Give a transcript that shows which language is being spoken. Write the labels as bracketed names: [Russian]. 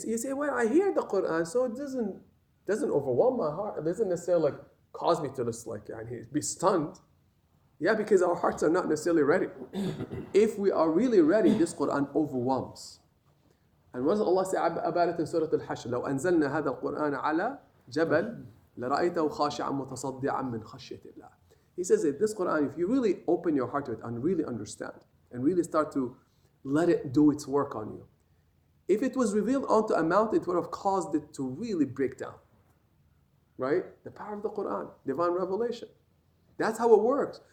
[English] You say, well, I hear the Quran, so it doesn't overwhelm my heart. It doesn't necessarily like, cause me to just like, and he'd be stunned. Yeah, because our hearts are not necessarily ready. If we are really ready, this Quran overwhelms. And what does Allah say about it in Surah Al-Hashr? [Arabic] لو أنزلنا هذا القرآن على جبل لرأيته خاشعا متصدعا من خشية الله. [English] He says that this Quran, if you really open your heart to it and really understand and really start to let it do its work on you, if it was revealed onto a mountain, it would have caused it to really break down. Right? The power of the Quran, divine revelation. That's how it works.